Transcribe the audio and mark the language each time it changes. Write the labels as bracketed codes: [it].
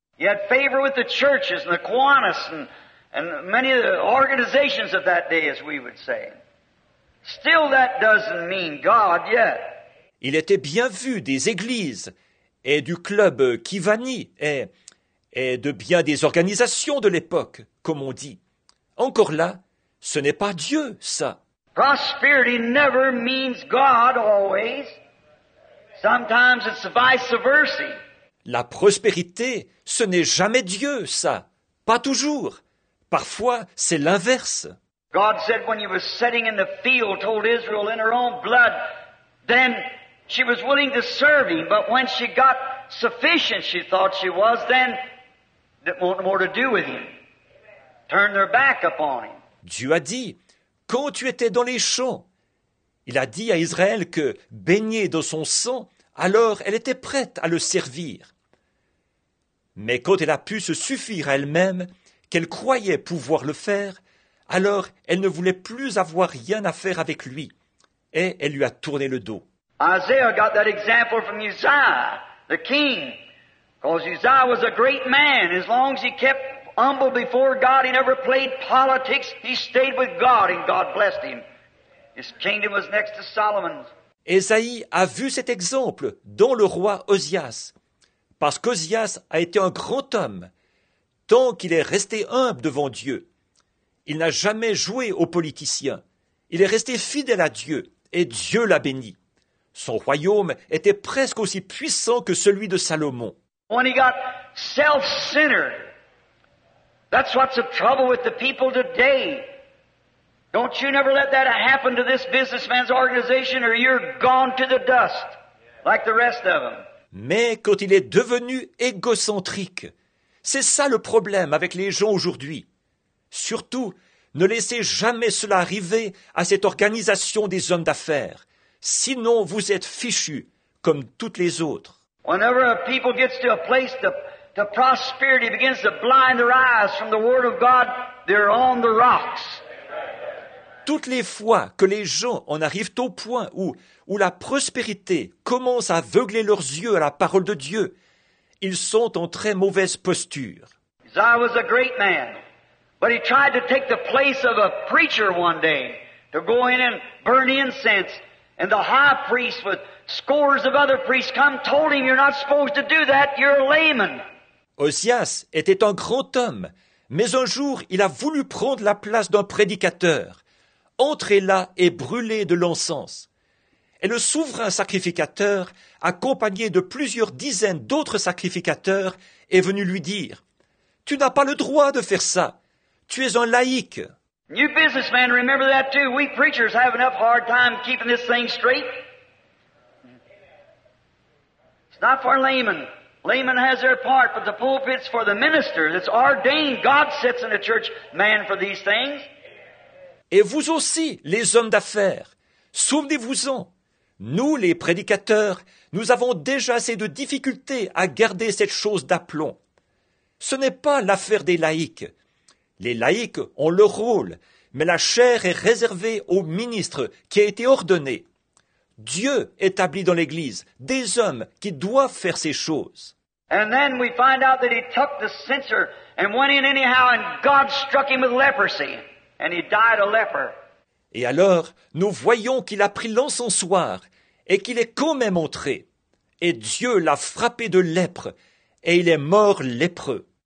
[en] He had favor with the churches and the Kiwanis and many of the organizations of that day, as we would say. Still, that doesn't mean God yet. [fr] Il était bien vu des églises et du club Kivani et de bien des organisations de l'époque, comme on dit. Encore là, ce n'est pas Dieu, ça. [en] Prosperity never means God always. Sometimes it's vice versa. [fr] La prospérité, ce n'est jamais Dieu, ça. Pas toujours. Parfois, c'est l'inverse. [en] God said when he was sitting in the field, told Israel in her own blood, then she was willing to serve him, but when she got sufficient, she thought she was, then didn't want more to do with him. Turned her back upon him. [fr] Dieu a dit, quand tu étais dans les champs, il a dit à Israël que, baignée dans son sang, alors elle était prête à le servir. Mais quand elle a pu se suffire à elle-même, qu'elle croyait pouvoir le faire, alors elle ne voulait plus avoir rien à faire avec lui. Et elle lui a tourné le dos. [en] Isaiah got that example from Uzziah, the king. Because Uzziah was a great man. As long as he kept humble before God, he never played politics. He stayed with God and God blessed him. His kingdom was next to Solomon's. [fr] Esaïe a vu cet exemple dans le roi Ozias, parce qu'Ozias a été un grand homme, tant qu'il est resté humble devant Dieu. Il n'a jamais joué aux politiciens. Il est resté fidèle à Dieu, et Dieu l'a béni. Son royaume était presque aussi puissant que celui de Salomon. [en] When he got self-centered, that's what's the trouble with the people today. Don't you never let that happen to this businessman's organization or you're gone to the dust, like the rest of them. [fr] Mais quand il est devenu égocentrique, c'est ça le problème avec les gens aujourd'hui. Surtout, ne laissez jamais cela arriver à cette organisation des hommes d'affaires. Sinon, vous êtes fichus, comme toutes les autres. [en] Whenever a people gets to a place, the prosperity begins to blind their eyes from the Word of God, they're on the rocks. [fr] Toutes les fois que les gens en arrivent au point où la prospérité commence à aveugler leurs yeux à la parole de Dieu, ils sont en très mauvaise posture. [en] Isaiah was a great man, but he tried to take the place of a preacher one day to go in and burn incense, and the high priest with scores of other priests come told him, "You're not supposed to do that. You're a layman." [fr] Ozias était un grand homme, mais un jour il a voulu prendre la place d'un prédicateur. Entrez là et brûlez de l'encens. Et le souverain sacrificateur, accompagné de plusieurs dizaines d'autres sacrificateurs, est venu lui dire, « Tu n'as pas le droit de faire ça. Tu es un laïc. » [en] You businessmen, remember that too. We preachers have enough hard time keeping this thing straight. It's not for laymen. Laymen has their part, but the pulpit's for the minister. It's ordained. God sits in a church man for these things. [fr] Et vous aussi, les hommes d'affaires, souvenez-vous-en, nous, les prédicateurs, nous avons déjà assez de difficultés à garder cette chose d'aplomb. Ce n'est pas l'affaire des laïcs. Les laïcs ont leur rôle, mais la chair est réservée au ministre qui a été ordonné. Dieu établit dans l'Église des hommes qui doivent faire ces choses. [en] And then we find out that he took the censer and went in anyhow and God struck him with leprosy. And he died a leper. [fr] Et alors, nous voyons qu'il a pris l'encensoir et qu'il est quand même entré. Et Dieu l'a frappé de lèpre et il est mort lépreux.